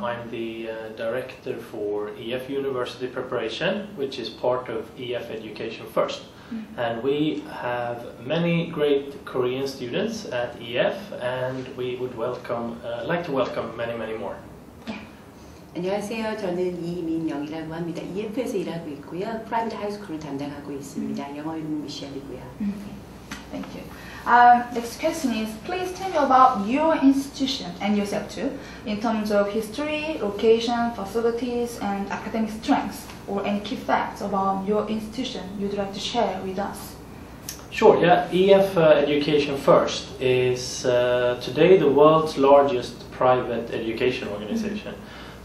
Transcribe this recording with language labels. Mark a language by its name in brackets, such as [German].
[English] I'm the director for EF University Preparation, which is part of EF Education First. Mm-hmm. And we have many great Korean students at EF, and we would welcome, like to welcome many, many more. [Korean] 안녕하세요. 저는 이민영이라고 합니다. EF에서 일하고 있고요. 프라이빗 하이스쿨을 담당하고 있습니다. 영어 이름은 미셸이고요. [English] Thank you. Next question is, please tell me about your institution and yourself too, in terms of history, location, facilities, and academic strengths, or any key facts about your institution you'd like to share with us. Sure, yeah. EF Education First is today the world's largest private education organization. Mm-hmm.